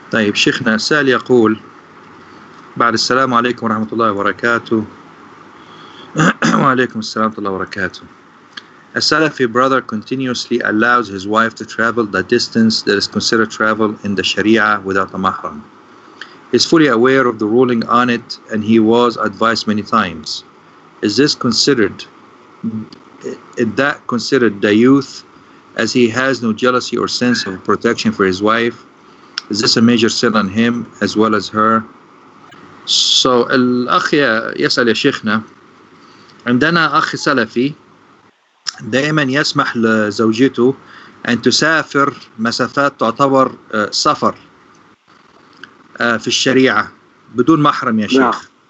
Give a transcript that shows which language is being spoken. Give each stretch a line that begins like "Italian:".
Arabic: طيب شيخنا السائل يقول: بعد السلام عليكم ورحمة الله وبركاته. وعليكم السلام ورحمة الله وبركاته.
English: A Salafi brother continuously allows his wife to travel the distance that is considered travel in the Sharia without a mahram. He is fully aware of the ruling on it and he was advised many times. Is this considered, is that considered the youth as he has no jealousy or sense of protection for his wife? Is this a major sin on him as well as her?
Arabic: So, الأخ يسأل يا شيخنا. عندنا أخ سلفي دائما يسمح لزوجته أن تسافر مسافات تعتبر سفر في الشريعة بدون محرم يا شيخ.